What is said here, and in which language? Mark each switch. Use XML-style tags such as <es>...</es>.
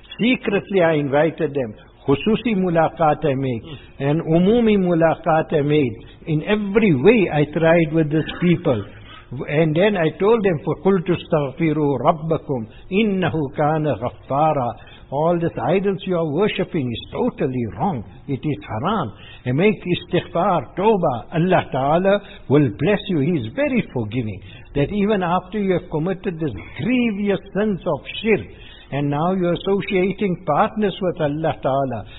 <en>Secretly I invited them.</en> <ur>خُسُوسِ مُلَاقَاتِ</ur> <en>I made. And</en> <ur>umumi مُلَاقَاتِ</ur> <en>I made. In every way I tried with these people. And then I told them,</en> <ar>فَقُلْتُ اسْتَغْفِرُوا رَبَّكُمْ إِنَّهُ كَانَ غَفَّارًا.</ar> <en>All these idols you are worshipping is totally wrong. It is haram. And make istighfar, tawbah. Allah Ta'ala will bless you. He is very forgiving. That even after you have committed this grievous sins of shirk, and now you are associating partners with Allah Ta'ala.</en>